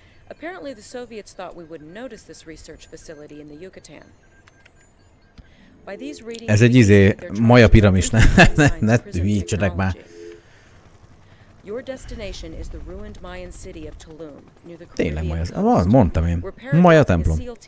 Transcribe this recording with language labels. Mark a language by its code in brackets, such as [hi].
[en] Apparently the Soviets thought we wouldn't notice this research facility in the Yucatan. [hu] Ez egy izé, maja piramis, ne hülyítsetek már. [en] Your destination is the ruined Mayan city of Tulum, near the [hu] Tényleg Maya, az, mondtam én. Maya templom.